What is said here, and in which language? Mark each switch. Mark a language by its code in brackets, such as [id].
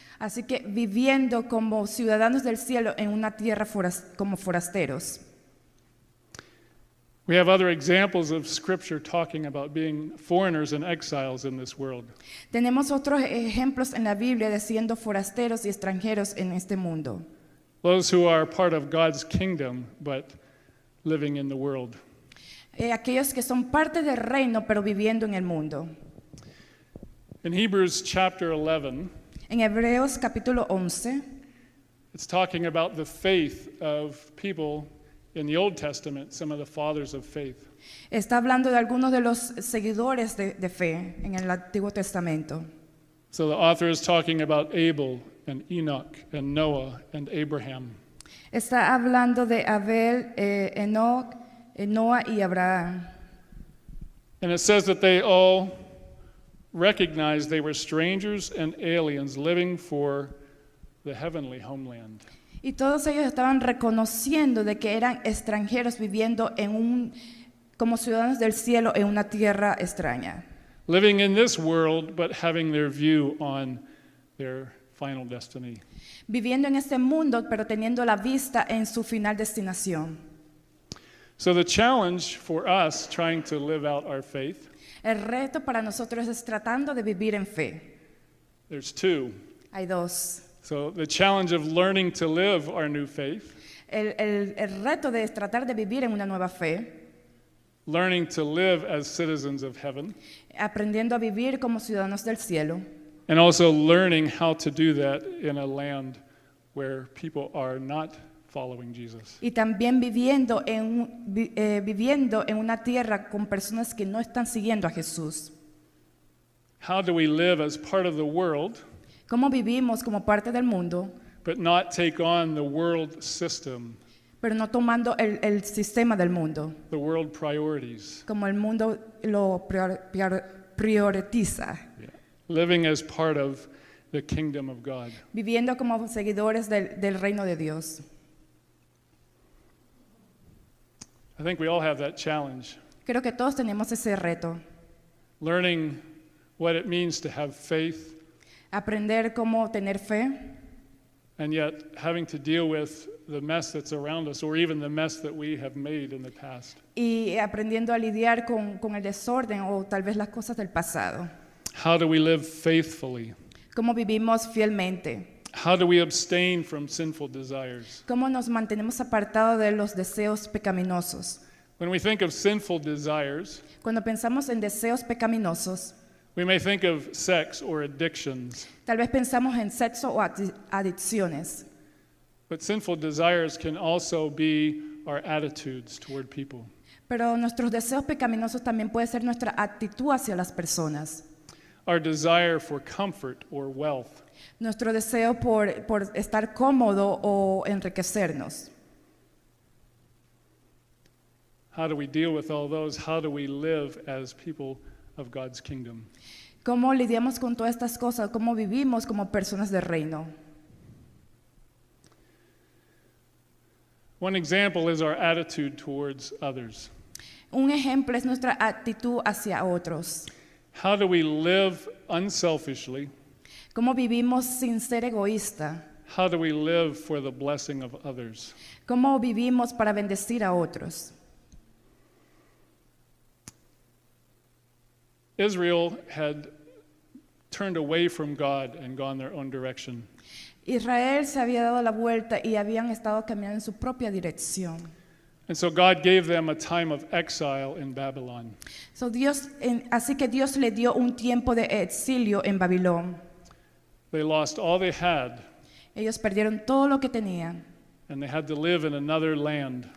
[es] Así que viviendo como ciudadanos del cielo en una tierra como forasteros. [en] We have other examples of scripture talking about being foreigners and exiles in this world. [es] Tenemos otros ejemplos en la Biblia de siendo forasteros y extranjeros en este mundo. [en] Those who are part of God's kingdom but living in the world. [es] Aquellos que son parte del reino pero viviendo en el mundo. [en] In Hebrews chapter 11. [es] En Hebreos capítulo 11. [en] It's talking about the faith of people in the Old Testament, some of the fathers of faith. [es] Está hablando de algunos de los seguidores de fe en el Antiguo Testamento. [en] So the author is talking about Abel and Enoch and Noah and Abraham. [es] Está hablando de Abel, Enoch, Noah y Abraham. [en] And it says that they all recognized they were strangers and aliens living for the heavenly homeland. [es] Y todos ellos estaban reconociendo de que eran extranjeros viviendo en un como ciudadanos del cielo en una tierra extraña. [en] Living in this world but having their view on their final destiny. [es] Viviendo en este mundo pero teniendo la vista en su final destinación. [en] So the challenge for us trying to live out our faith. [es] El reto para nosotros es tratando de vivir en fe. [en] There's two. [es] Hay dos. [en] So the challenge of learning to live our new faith. [es] El reto de tratar de vivir en una nueva fe. [en] Learning to live as citizens of heaven. [es] Aprendiendo a vivir como ciudadanos del cielo. [en] And also learning how to do that in a land where people are not following Jesus. [es] Y también viviendo en una tierra con personas que no están siguiendo a Jesús. [en] How do we live as part of the world? [es] ¿Cómo vivimos como parte del mundo? [en] But not take on the world system. [es] Pero no tomando el sistema del mundo. [en] The world priorities. [es] Como el mundo lo prioriza. [en] Yeah. Living as part of the kingdom of God. [es] Viviendo como seguidores del reino de Dios. [en] I think we all have that challenge. [es] Creo que todos tenemos ese reto. [en] Learning what it means to have faith. [es] Aprender cómo tener fe. [en] And yet having to deal with the mess that's around us or even the mess that we have made in the past. [es] Y aprendiendo a lidiar con el desorden o tal vez las cosas del pasado. [en] How do we live faithfully? [es] ¿Cómo vivimos fielmente? [en] How do we abstain from sinful desires? [es] ¿Cómo nos mantenemos apartados de los deseos pecaminosos? [en] When we think of sinful desires, [es] cuando pensamos en deseos pecaminosos, [en] we may think of sex or addictions. [es] Tal vez pensamos en sexo o adicciones. [en] But sinful desires can also be our attitudes toward people. [es] Pero nuestros deseos pecaminosos también puede ser nuestra actitud hacia las personas. [en] Our desire for comfort or wealth. [es] Nuestro deseo por estar cómodo o enriquecernos. [en] How do we deal with all those? How do we live as people of God's kingdom? [es] ¿Cómo lidiamos con todas estas cosas? ¿Cómo vivimos como personas del reino? [en] One example is our attitude towards others. [es] Un ejemplo es nuestra actitud hacia otros. [en] How do we live unselfishly? [es] ¿Cómo vivimos sin ser egoísta? [en] How do we live for the blessing of others? [es] ¿Cómo vivimos para bendecir a otros? [en] Israel had turned away from God and gone their own direction. [es] Israel se había dado la vuelta y habían estado caminando en su propia dirección. [en] And so God gave them a time of exile in Babylon. [es] So Dios, así que Dios le dio un tiempo de exilio en Babilón. [en] They lost all they had. [es] Ellos perdieron todo lo que tenían. [en] And they had to live in another land.